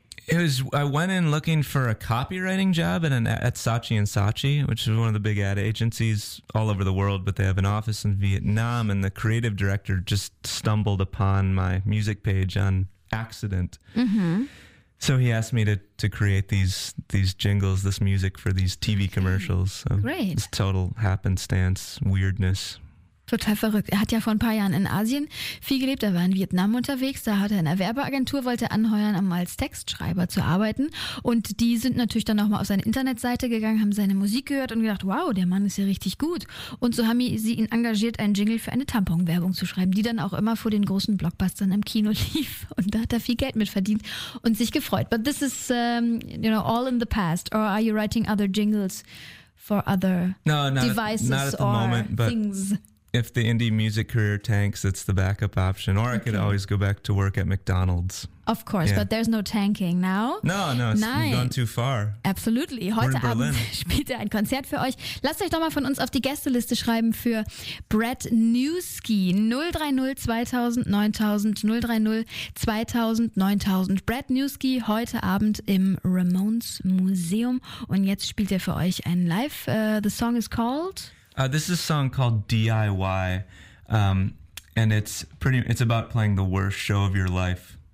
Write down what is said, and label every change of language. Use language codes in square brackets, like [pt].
[en] I went in looking for a copywriting job at Saatchi & Saatchi, which is one of the big ad agencies all over the world, but they have an office in Vietnam, and the creative director just stumbled upon my music page on accident. Mm-hmm. So he asked me to create these jingles, this music for these TV commercials. So great. It's total happenstance, weirdness. [de] Total verrückt. Er hat ja vor ein paar Jahren in Asien viel gelebt. Er war in Vietnam unterwegs. Da hat er in einer Werbeagentur, wollte anheuern, um als Textschreiber zu arbeiten. Und die sind natürlich dann nochmal auf seine Internetseite gegangen, haben seine Musik gehört und gedacht, wow, der Mann ist ja richtig gut. Und so haben sie ihn engagiert, einen Jingle für eine Tamponwerbung zu schreiben, die dann auch immer vor den großen Blockbustern im Kino lief. Und da hat er viel Geld mitverdient und sich gefreut. [en] But this is, you know, all in the past. Or are you writing other jingles for other devices or things? If the indie music career tanks, it's the backup option. Or I could always go back to work at McDonald's. Of course, but there's no tanking now. No, it's gone too far. Absolutely. [de] Heute Abend spielt er ein Konzert für euch. Lasst euch doch mal von uns auf die Gästeliste schreiben für Brad Newski. 030-2000-9000. Brad Newski heute Abend im Ramones Museum. Und jetzt spielt er für euch ein Live. [en] The song is called... This is a song called DIY, and it's about playing the worst show of your life.